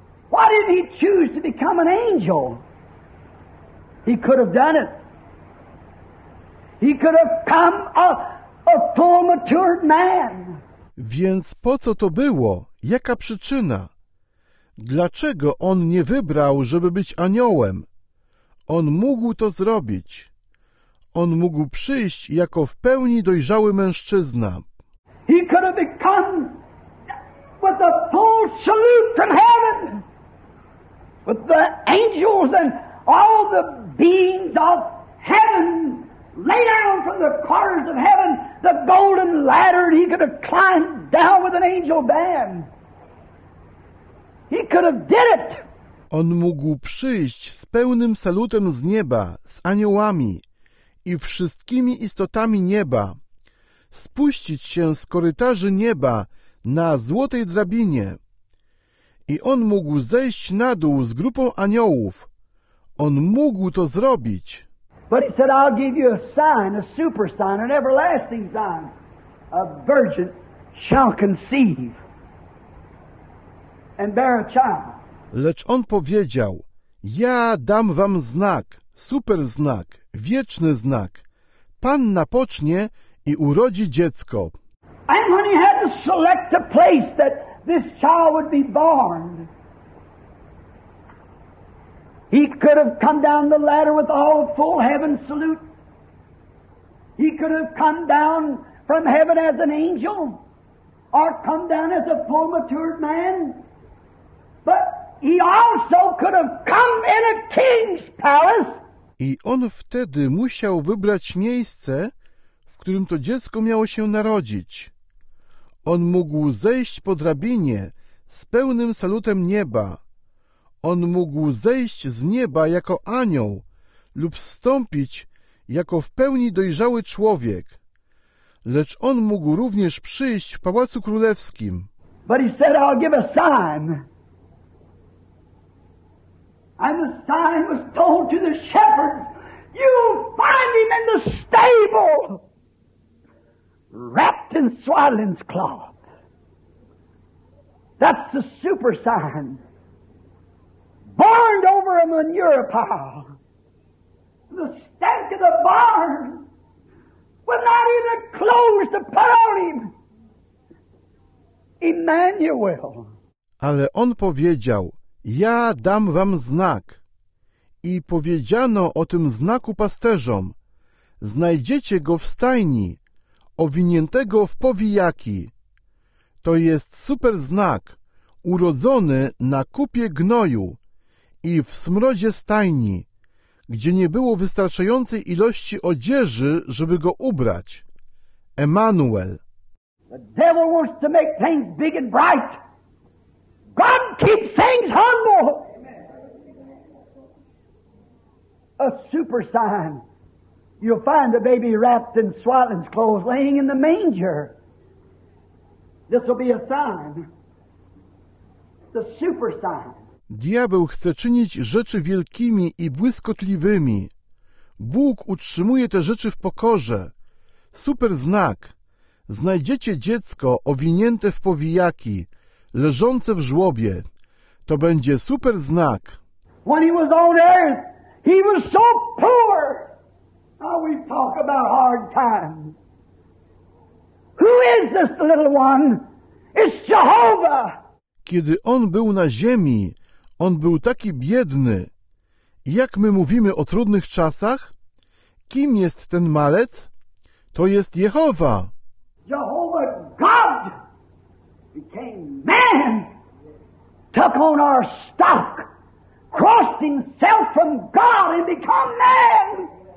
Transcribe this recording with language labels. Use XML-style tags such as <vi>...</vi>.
<en>Why did he choose to become an angel? He could have done it. He could have come a full matured man.</en> <pl>Więc po co to było? Jaka przyczyna? Dlaczego on nie wybrał, żeby być aniołem? On mógł to zrobić. On mógł przyjść jako w pełni dojrzały mężczyzna.</pl> <en>He could have come with a full salute from heaven. With the angels and all the beings of heaven laid down from the corners of heaven, the golden ladder, and he could have climbed down with an angel band. He could have did it.</en> <pl>On mógł przyjść z pełnym salutem z nieba, z aniołami i wszystkimi istotami nieba, spuścić się z korytarzy nieba na złotej drabinie. I on mógł zejść na dół z grupą aniołów. On mógł to zrobić.</pl> <en>But he said, I'll give you a sign, a super sign, an everlasting sign. A virgin shall conceive and bear a child.</en> <pl>Lecz on powiedział, ja dam wam znak, super znak, wieczny znak. Panna pocznie i urodzi dziecko.</pl> <en>And when he had to select a place that this child would be born, he could have come down the ladder with all full heaven salute. He could have come down from heaven as an angel or come down as a full matured man. But he also could have come in a king's palace.</en> <pl>I on wtedy musiał wybrać miejsce, w którym to dziecko miało się narodzić. On mógł zejść po drabinie z pełnym salutem nieba. On mógł zejść z nieba jako anioł lub wstąpić jako w pełni dojrzały człowiek. Lecz on mógł również przyjść w pałacu królewskim.</pl> <en>But he said, I'll give a sign. And the sign was told to the shepherds, you'll find him in the stable. Wrapped in swaddling's cloth. That's the super sign. Barned over a manure pile. The stank of the barn with not even clothes to put on him. Emmanuel.</en> <pl>Ale on powiedział, ja dam wam znak. I powiedziano o tym znaku pasterzom. Znajdziecie go w stajni, owiniętego w powijaki. To jest super znak, urodzony na kupie gnoju i w smrodzie stajni, gdzie nie było wystarczającej ilości odzieży, żeby go ubrać. Emmanuel.</pl> <en>The devil wants to make things big and bright. God keeps things humble. A super sign. You'll find the baby wrapped in swaddling's clothes, laying in the manger. This will be a sign. The super sign.</en> <pl>Diabeł chce czynić rzeczy wielkimi i błyskotliwymi. Bóg utrzymuje te rzeczy w pokorze. Super znak. Znajdziecie dziecko owinięte w powijaki, leżące w żłobie. To będzie super znak.</pl> <en>When he was on earth, he was so poor. Now we talk about hard times. Who is this little one? It's Jehovah!</en> <pl>Kiedy on był na ziemi, on był taki biedny. Jak my mówimy o trudnych czasach? Kim jest ten malec? To jest Jehowa.</pl> <en>Jehovah God became man, took on our stock, crossed himself from God and became man.</en>